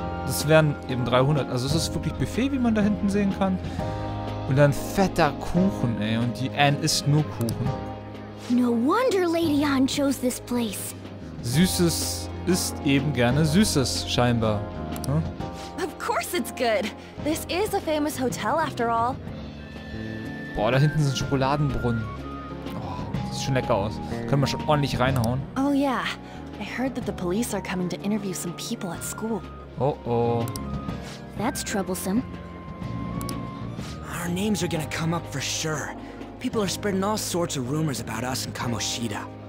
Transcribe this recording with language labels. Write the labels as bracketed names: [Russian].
[German] Das wären eben 300. Also es ist wirklich Buffet, wie man da hinten sehen kann. Und dann fetter Kuchen, ey. Und die Anne isst nur Kuchen. [English] No wonder Lady Anne chose this place. [German] Süßes isst eben gerne Süßes, scheinbar. [English] Hm? Of course it's good. This is a famous hotel after all. [German] Boah, da hinten sind Schokoladenbrunnen. Oh, das sieht schon lecker aus. Können wir schon ordentlich reinhauen. [English] Oh yeah. I heard that the police are coming to interview some people at school. Oh oh. That's troublesome. Our names are gonna come up for sure. People are spreading all sorts of rumors about us and Kamoshida.